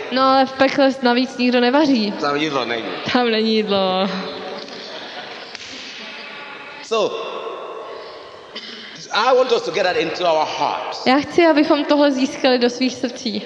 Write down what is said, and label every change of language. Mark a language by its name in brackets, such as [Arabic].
[Czech] No, ale v pekle navíc nikdo nevaří. Tam jídlo není. Tam není jídlo. [English] So, I want us to get that into our hearts. [Czech] Já chci, abychom tohle získali do svých srdcí.